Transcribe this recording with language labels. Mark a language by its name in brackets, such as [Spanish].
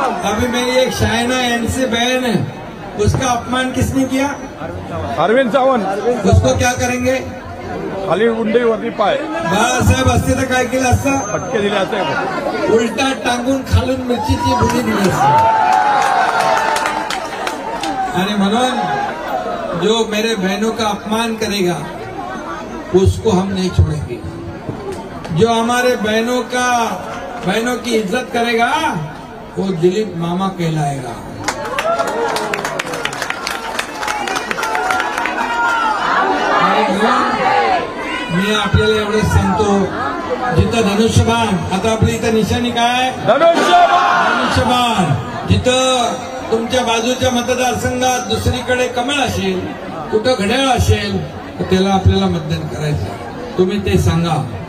[Hindi] अभी मेरी एक शायना एनसी बहन, उसका अपमान किसने किया? अरविंद सावंत। उसको क्या करेंगे? [Marathi] खाली उंडे वरती पाय। बाळासाहेब असते तर काय केलं असतं? फटके दिले असते, उलटा टांगून खालून मिरचीची भुजी दिली असते। आणि म्हणून [Hindi] जो मेरे बहनों का अपमान करेगा उसको हम नहीं छोड़ेंगे, जो हमारे बहनों का बहनों की इज्जत करेगा वो दिलीप मामा कहलाएगा। [Marathi] मैं आपल्याला एवढं सांगतो, जिथं धनुष्यबाण, आता आपली इथं निशाणी काय, धनुष्यबाण, जिथं तुमच्या बाजूच्या मतदारसंघात दुसरीकडे कमळ असेल, कुठं घड्याळ असेल, तर त्याला आपल्याला मतदान करायचं, तुम्ही ते सांगा।